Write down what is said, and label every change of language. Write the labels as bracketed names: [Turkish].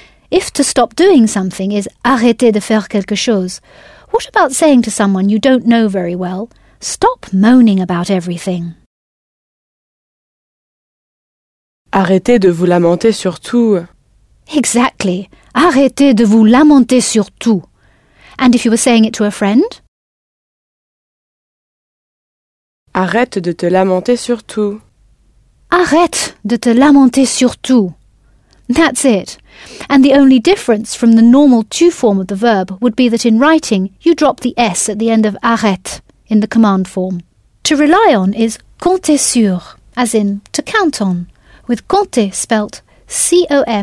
[English] If to stop doing something is [French] arrêter de faire quelque chose, [English] what about saying to someone you don't know very well, stop moaning about everything? [French] Arrêtez de vous lamenter sur tout. [English] Exactly. [French] Arrêtez de vous lamenter sur tout. [English] And if you were saying it to a friend? [French] Arrête de te lamenter sur tout. Arrête de te lamenter sur tout. [English] That's it. And the only difference from the normal tu form of the verb would be that in writing, you drop the S at the end of arrête in the command form. To rely on is compter sur, as in to count on, with compter spelt C-O-M-P-T-E-R.